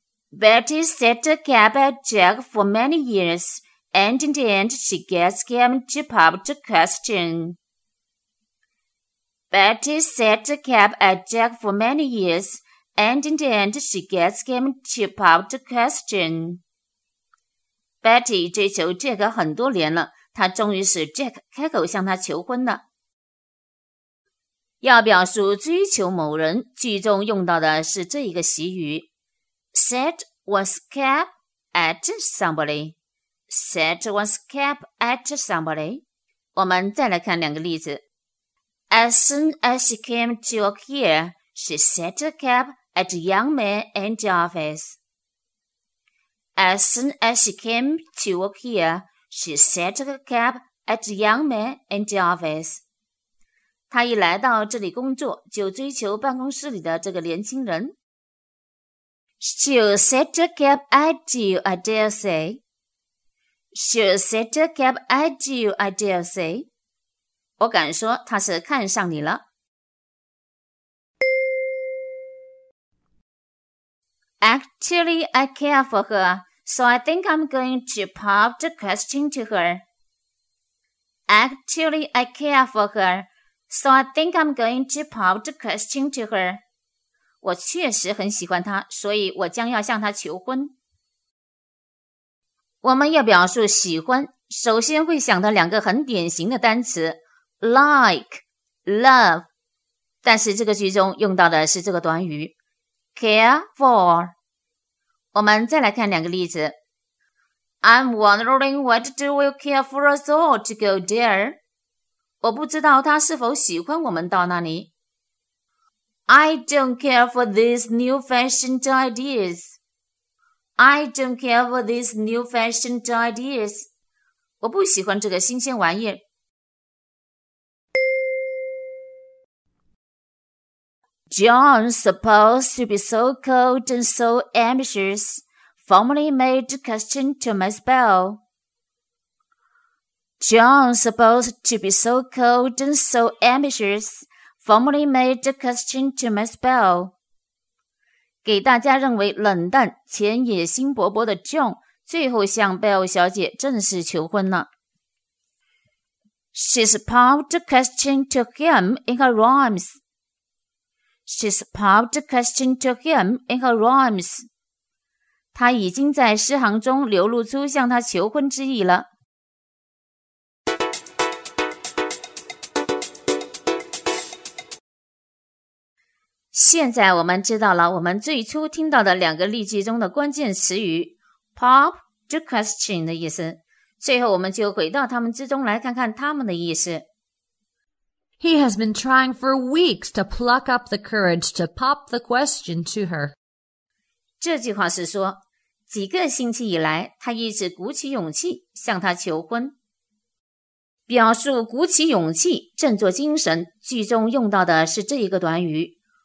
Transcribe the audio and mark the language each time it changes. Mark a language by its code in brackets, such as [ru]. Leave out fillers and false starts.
[en] Betty set a cap at Jack for many years, and in the end she gets him to pop the question. Betty set the cap at Jack for many years, and in the end, she gets him to pop the question. [zh] Betty 追求 Jack 很多年了，她终于使 Jack 开口向她求婚了。要表述追求某人，句中用到的是这一个习语 , [en] set one's cap at somebody. Set one's cap at somebody. [zh] 我们再来看两个例子。 [en] As soon as she came to work here, she set a cap at the young man in the office. As soon as she came to work here, she set a cap at the young man in the office. [zh] 她一来到这里工作，就追求办公室里的这个年轻人。 [en] She'll set a cap at you, I dare say. She'll set a cap at you, I dare say. [zh] 我敢说他是看上你了。 [en] Actually, I care for her, so I think I'm going to pop the question to her. Actually, I care for her, so I think I'm going to pop the question to her. [zh] 我确实很喜欢她，所以我将要向她求婚。我们要表述喜欢，首先会想到两个很典型的单词。 Like, love, 但是这个句中用到的是这个短语 care for. 我们再来看两个例子。 [en] I'm wondering what do we care for us all to go there? [zh] 我不知道他是否喜欢我们到那里。 [en] I don't care for these new fashioned ideas. I don't care for these new fashioned ideas. [zh] 我不喜欢这个新鲜玩意。 [en] John, supposed to be so cold and so ambitious, formally made the question to Miss Bell. John, supposed to be so cold and so ambitious, formally made the question to Miss Bell. [zh] 给大家认为冷淡且野心勃勃的 John 最后向 Belle 小姐正式求婚了。 [en] She's popped the question to him in her rhymes. She's popped the question to him in her rhymes. [zh] 她已经在诗行中流露出向他求婚之意了。现在我们知道了我们最初听到的两个例句中的关键词语 pop the question 的意思。最后我们就回到他们之中来看看他们的意思。 [en] He has been trying for weeks to pluck up the courage to pop the question to her. [zh] 这句话是说，几个星期以来，他一直鼓起勇气向她求婚。表述鼓起勇气、振作精神，句中用到的是这一个短语。